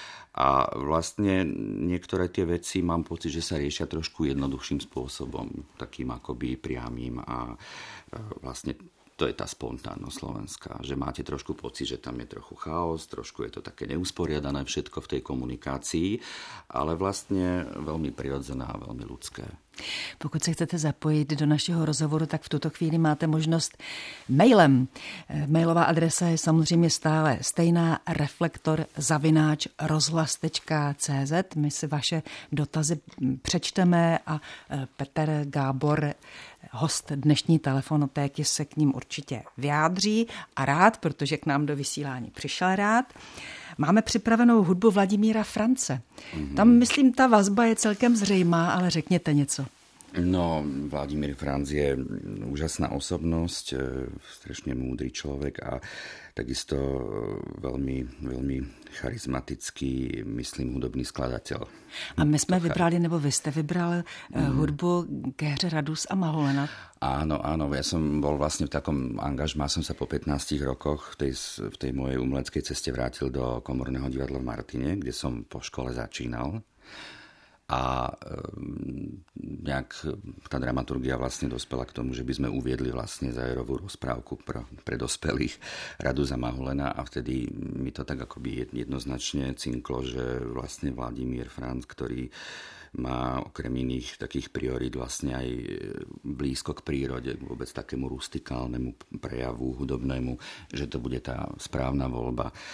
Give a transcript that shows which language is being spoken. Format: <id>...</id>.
<sk>A vlastne niektoré tie veci mám pocit, že sa riešia trošku jednoduchším spôsobom, takým akoby priamým a vlastne to je tá spontánnosť slovenská, že máte trošku pocit, že tam je trochu chaos, trošku je to také neusporiadané všetko v tej komunikácii, ale vlastne veľmi prirodzené a veľmi ľudské.</sk> <cs>Pokud se chcete zapojit do našeho rozhovoru, tak v tuto chvíli máte možnost mailem. Mailová adresa je samozřejmě stále stejná, reflektor@rozhlas.cz. My si vaše dotazy přečteme a Petr Gábor, host dnešní telefonotéky, se k ním určitě vyjádří a rád, protože k nám do vysílání přišel rád. Máme připravenou hudbu Vladimíra France. Tam, myslím, ta vazba je celkem zřejmá, ale řekněte něco.</cs> <sk>No, Vladimír Franc je úžasná osobnosť, strašne múdry človek a takisto veľmi, veľmi charizmatický, myslím, hudobný skladateľ. A my sme vybrali,</sk> <cs>nebo vy ste vybrali hudbu ke hře Radus a Maholena.</cs> <sk>Áno, áno, ja som bol vlastne v takom angažmá, som sa po 15 rokoch v tej mojej umeleckej ceste vrátil do Komorného divadla v Martine, kde som po škole začínal. A nejak tá dramaturgia vlastne dospela k tomu, že by sme uviedli vlastne zájerovú rozprávku pre dospelých Radu za Mahulena a vtedy mi to tak akoby jednoznačne cinklo, že vlastne Vladimír Franc, ktorý má okrem iných takých priorít vlastne aj blízko k prírode, vôbec takému rustikálnemu prejavu hudobnému, že to bude tá správna voľba.</sk>